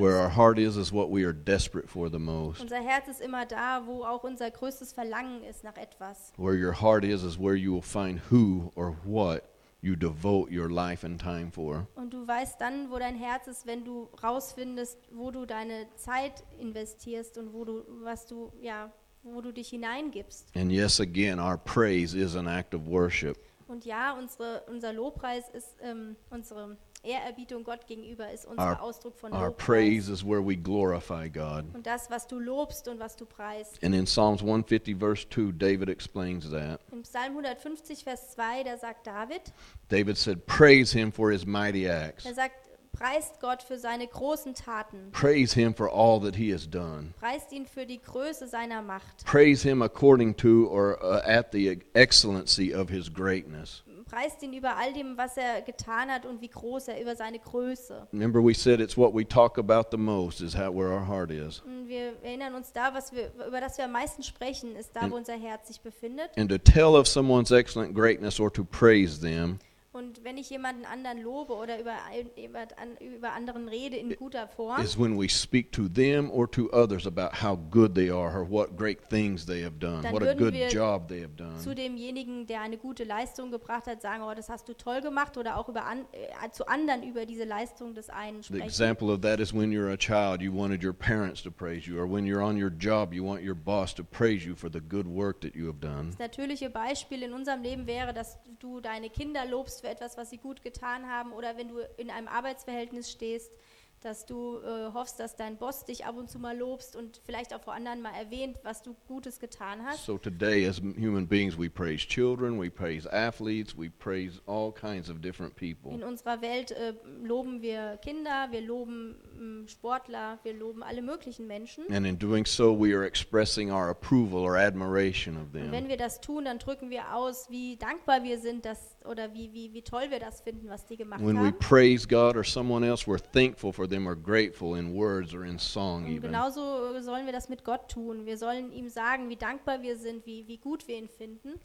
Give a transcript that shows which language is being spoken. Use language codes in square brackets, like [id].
[en] Where our heart is what we are desperate for the most. [de] Unser Herz ist immer da, wo auch unser größtes Verlangen ist nach etwas. [en] Where your heart is where you will find who or what you devote your life and time for. [de] Und du weißt dann, wo dein Herz ist, wenn du rausfindest, wo du deine Zeit investierst und wo du dich hineingibst. [en] And yes, again, our praise is an act of worship. [de] Und ja, unser Lobpreis ist, unsere Ehrerbietung Gott gegenüber ist unser Ausdruck von Lobpreis. [en] Our praise is where we glorify God. [de] Und das, was du lobst und was du preist. [en] And in Psalms 150, verse 2, David explains that. [de] Im Psalm 150, Vers 2, da sagt David. [en] David said, praise him for his mighty acts. [de] Er sagt, preist Gott für seine großen Taten. [en] Praise him for all that he has done. [de] Preist ihn für die Größe seiner Macht. [en] Praise him according to or at the excellency of his greatness. [de] Preist ihn über all dem, was er getan hat und wie groß er über seine Größe. [en] Remember, we said it's what we talk about the most is how where our heart is. [de] Wir erinnern uns da, was wir über das wir am meisten sprechen, ist da, wo unser Herz sich befindet. [en] And to tell of someone's excellent greatness or to praise them. [de] Und wenn ich jemanden anderen lobe oder über anderen rede in guter Form, [en] is when we speak to them or to others about how good they are or what great things they have done, what a good job they have done. [de] Zu demjenigen, der eine gute Leistung gebracht hat, sagen, oh, das hast du toll gemacht, oder auch zu anderen über diese Leistung des einen sprechen. [en] The example of that is when you're a child, you wanted your parents to praise you, or when you're on your job, you want your boss to praise you for the good work that you have done. [de] Das natürliche Beispiel in unserem Leben wäre, dass du deine Kinder lobst für etwas, was sie gut getan haben, oder wenn du in einem Arbeitsverhältnis stehst, dass du hoffst, dass dein Boss dich ab und zu mal lobst und vielleicht auch vor anderen mal erwähnt, was du Gutes getan hast. [en] So today as human beings we praise children, we praise athletes, we praise all kinds of different people. [de] In unserer Welt loben wir Kinder, wir loben Sportler, wir loben alle möglichen Menschen. [en] And in doing so we are expressing our approval or admiration of them. [de] Und wenn wir das tun, dann drücken wir aus, wie dankbar wir sind, dass oder wie toll wir das finden, was die gemacht [en] when [de] haben. [en] When we praise God or someone else, we're thankful for them or grateful in words or in song even. [de] Genauso sollen wir das mit Gott tun. Wir sollen ihm sagen, wie dankbar wir sind, wie gut wir ihn finden.